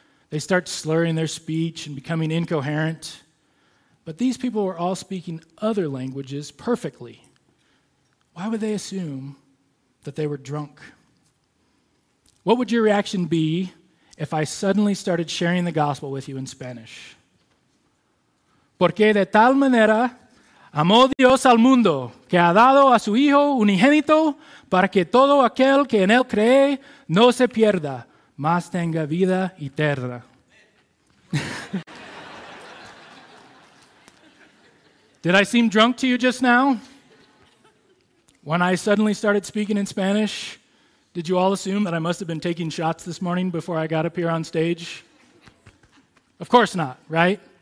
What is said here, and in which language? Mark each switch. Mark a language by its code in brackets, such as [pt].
[en] They start slurring their speech and becoming incoherent. But these people were all speaking other languages perfectly. Why would they assume that they were drunk? What would your reaction be if I suddenly started sharing the gospel with you in Spanish? [es] Porque de tal manera amó Dios al mundo, que ha dado a su Hijo unigénito para que todo aquel que en él cree no se pierda, mas tenga vida eterna. [en] Did I seem drunk to you just now? When I suddenly started speaking in Spanish, did you all assume that I must have been taking shots this morning before I got up here on stage? Of course not, right?